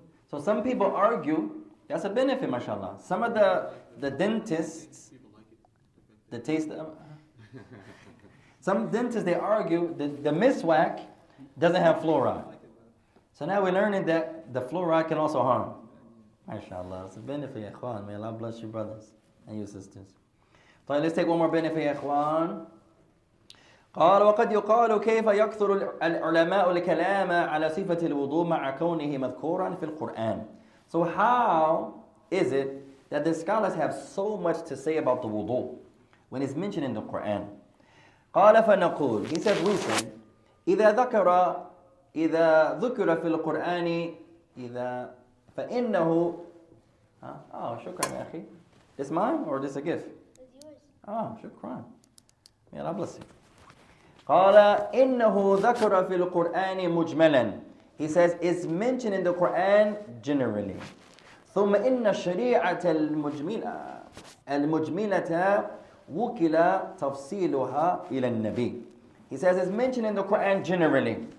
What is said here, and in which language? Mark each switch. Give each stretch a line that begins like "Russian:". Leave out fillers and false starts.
English: So some people argue that's a benefit, mashallah. Some of the dentists, the taste of some dentists, they argue that the miswak doesn't have fluoride. So now we're learning that the fluoride can also harm. Mashallah, it's a benefit, ikhwan. May Allah bless your brothers and your sisters. So let's take one more benefit, ikhwan.
Arabic: قال وقد يقال كيف يكثر العلماء الكلام على صفة الوضوء مع كونه مذكورا في القرآن.
English: So how is it that the scholars have so much to say about the wudu when it's mentioned in the Quran?
Arabic: قال فنقول.
English: He said, we said,
Arabic: إذا ذكر في القرآن إذا فإنه.
English: Oh, shukran,
Arabic: أخي.
English: This mine or this a gift? It's yours. Oh, shukran. May Allah bless you.
Arabic: قال إنه ذكر في القرآن مجملا.
English: He says it's mentioned in the Quran generally.
Arabic: ثم إن الشريعة المجملة وكل تفصيلها إلى النبي.
English: He says it's mentioned in the Quran generally.